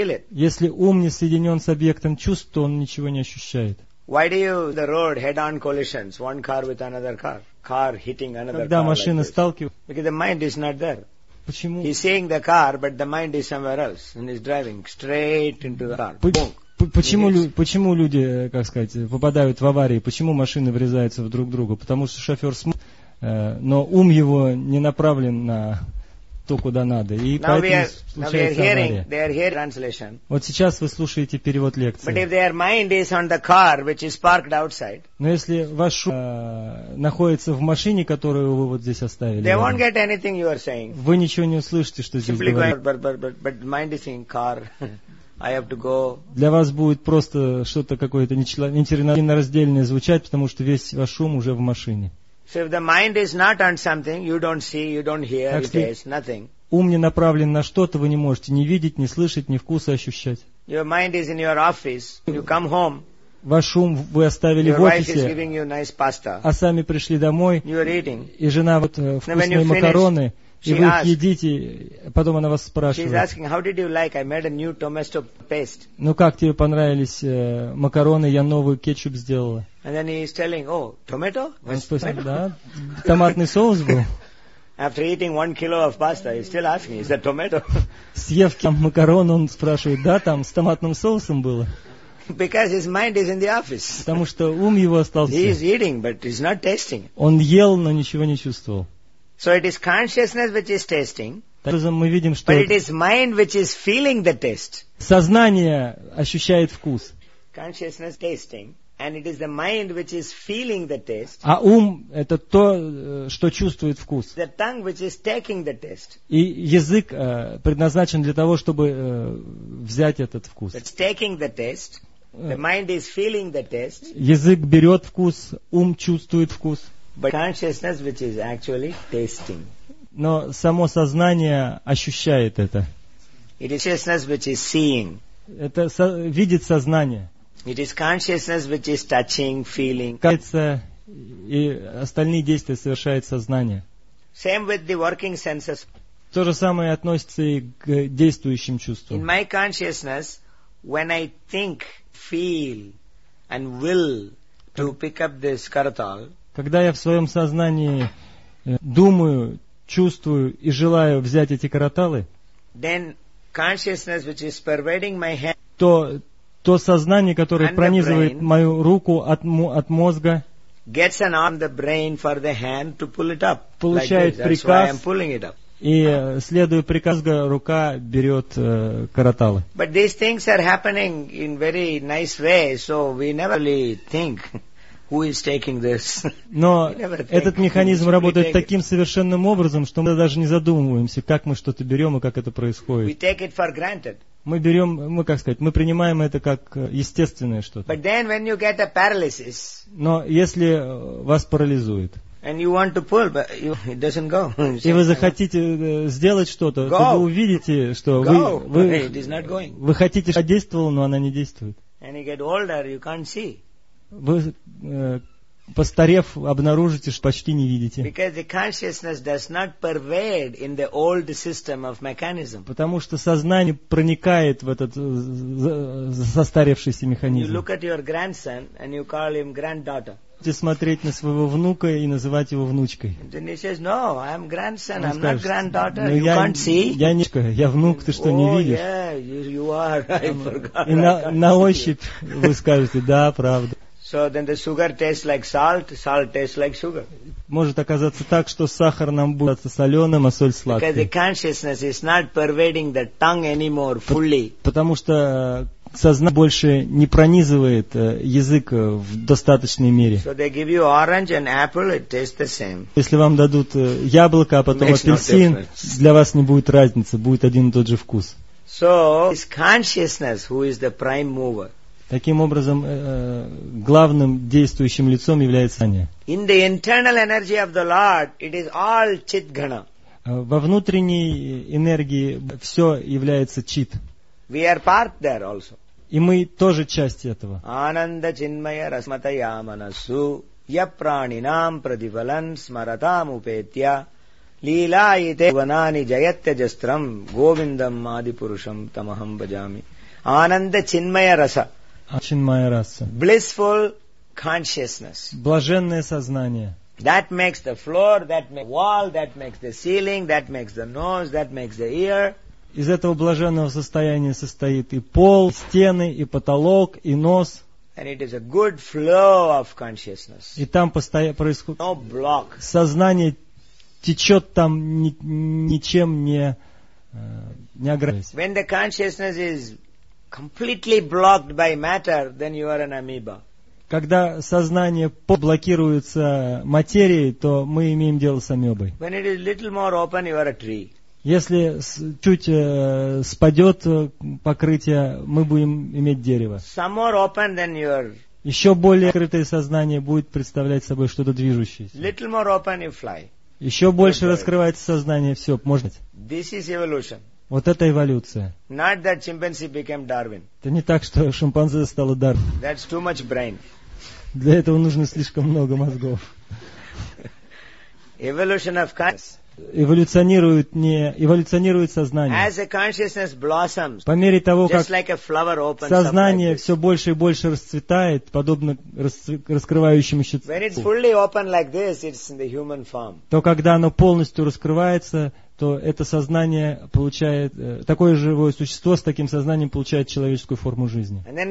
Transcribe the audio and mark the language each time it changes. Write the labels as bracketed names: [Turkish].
[Russian] Если ум не соединен с объектом чувств, то он ничего не ощущает. [English] Why do you the road head-on collisions, one car with another car, car hitting another car? [Russian] Когда машина сталкивается? [English] Because the mind is not there. [Russian] Почему? [English] He's seeing the car, but the mind is somewhere else and he's driving straight into the car. Boom. [Russian] Почему люди, как сказать, попадают в аварии? Почему машины врезаются в друг друга? Потому что шофер смотрит, но ум его не направлен на то, куда надо. И поэтому случается авария. Вот сейчас вы слушаете перевод лекции. Но если ваш ум находится в машине, которую вы вот здесь оставили, [English] they won't get anything you are saying. [Russian] Вы ничего не услышите, что здесь говорят. [English] I have to go. [Russian] Для вас будет просто что-то какое-то нечленораздельное звучать, потому что весь ваш ум уже в машине. [English] So if the mind is not on something, you don't see, you don't hear, [Russian] так, [English] it is nothing. [Russian] Ум не направлен на что-то, вы не можете ни видеть, ни слышать, ни вкуса ощущать. [English] Your mind is in your office. You come home. [Russian] Ваш ум вы оставили [English] your [Russian] в офисе, [English] wife is giving you nice pasta. [Russian] А сами пришли домой. [English] You are eating. [Russian] И жена вот вкусные макароны. И вы их едите, потом она вас спрашивает. [English] She's asking, how did you like? I made a new tomato paste. [Russian] Ну как тебе понравились макароны? Я новый кетчуп сделала. [English] And then he's telling, oh, tomato? [Russian] Да, томатный соус был. [English] After eating 1 kilo of pasta, he's still asking, is that tomato? [Russian] Съев макарон, он спрашивает, да, там с томатным соусом было. [English] Because his mind is in the office. [Russian] Потому что ум его остался. [English] He is eating, but he's not tasting. [Russian] Он ел, но ничего не чувствовал. [English] So it is consciousness which is tasting. [Russian] Таким образом мы видим, что. [English] But it is mind which is feeling the taste. [Russian] Сознание ощущает вкус. [English] Consciousness tasting, and it is the mind which is feeling the taste. [Russian] А ум это то, что чувствует вкус. [English] The tongue which is taking the taste. [Russian] И язык предназначен для того, чтобы взять этот вкус. [English] It's taking the taste. The mind is feeling the taste. [Russian] Язык берет вкус, ум чувствует вкус. [English] But consciousness, which is actually tasting. [Russian] Но само сознание ощущает это. [English] It is consciousness which is seeing. [Russian] Это видит сознание. [English] It is consciousness which is touching, feeling. [Russian] И остальные действия совершает сознание. [English] Same with the working senses. [Russian] То же самое относится и к действующим чувствам. [English] In my consciousness, when I think, feel, and will to pick up this karatal. [Russian] Когда я в своем сознании думаю, чувствую и желаю взять эти караталы, [English] then consciousness, which is pervading my head, [Russian] то сознание, которое пронизывает мою руку от мозга, [English] gets an arm the brain for the hand to pull it up, [Russian] получает приказ, и следуя приказу, рука берет караталы. [English] But these things are happening in very nice way, so we never really think. Who is taking this? [Russian] Но этот механизм работает таким совершенным образом, что мы даже не задумываемся, как мы что-то берем и как это происходит. [English] We take it for granted. [Russian] Мы берем, мы как сказать, мы принимаем это как естественное что-то. [English] But then when you get a paralysis, [Russian] но если вас парализует, [English] and you want to pull, but it doesn't go. [Russian] И вы захотите сделать что-то, [English] go. [Russian] То вы увидите, что [English] go. [Russian] Вы [English] it is not going. [Russian] Вы хотите, чтобы она действовала, но она не действует. [English] And you get older, you can't see. [Russian] Вы, постарев, обнаружите, что почти не видите. [English] Because the consciousness does not pervade in the old system of mechanism. [Russian] Потому что сознание проникает в этот застаревшийся механизм. [English] You look at your grandson and you call him granddaughter. [Russian] Будете смотреть на своего внука и называть его внучкой. [English] And then he says, no, I'm grandson, I'm not granddaughter. [Russian] Ну, [English] you can't see. [Russian] Я не внучка, я внук, ты что, не видишь? [English] Oh, yeah, you are. I forgot. [Russian] И на ощупь вы скажете, да, правда. [English] So then the sugar tastes like salt, salt tastes like sugar. [Russian] Может оказаться так, что сахар нам будет соленым, а соль сладкой. [English] Because the consciousness is not pervading the tongue anymore fully. [Russian] Потому что сознание больше не пронизывает язык в достаточной мере. [English] So they give you orange and apple, it tastes the same. [Russian] Если вам дадут яблоко, а потом апельсин, для вас не будет разницы, будет один и тот же вкус. [English] So it's consciousness who is the prime mover. [Russian] Таким образом, главным действующим лицом является сознание. [English] In the internal energy of the Lord, it is all chit ghana. [Russian] Во внутренней энергии все является чит. [English] We are part there also. [Russian] И мы тоже часть этого. [Sanskrit] Ананда чинмая расматая манасу я пранинам прадивалан смаратам упетья лилайте ванани жаятте жастрам говиндам адипурушам тамахам баджами. Ананда чинмая раса. [English] Blissful consciousness. [Russian] Блаженное сознание. [English] That makes the floor, that makes the wall, that makes the ceiling, that makes the nose, that makes the ear. [Russian] Из этого блаженного состояния состоит и пол, и стены, и потолок, и нос. [English] And it is a good flow of consciousness. [Russian] И там происходит. [English] No block. [Russian] Сознание течет там ничем не ограничивается. [English] When the consciousness is completely blocked by matter, then you are an amoeba. [Russian] Когда сознание блокируется материей, то мы имеем дело с амебой. [English] When it is little more open, you are a tree. [Russian] Если чуть спадет покрытие, мы будем иметь дерево. [English] Some more open than your. [Russian] Еще более открытое сознание будет представлять собой что-то движущееся. [English] Little more open, you fly. [Russian] Еще больше раскрывается сознание, все, можно. [English] This is evolution. [Russian] Вот это эволюция. [English] Not that chimpanzee became Darwin. [Russian] Это не так, что шимпанзе стало Дарвин. [English] That's too much brain. [Russian] Для этого нужно слишком много мозгов. [English] Evolution of consciousness. [Russian] эволюционирует, не эволюционирует сознание. [English] As the consciousness blossoms, [Russian] по мере того, [English] just [Russian] как [English] like a flower opens, [Russian] сознание все больше и больше расцветает, подобно раскрывающемуся цветку. [English] When it's fully open like this, it's in the human form. [Russian] То когда оно полностью раскрывается, то это сознание получает, такое живое существо с таким сознанием получает человеческую форму жизни.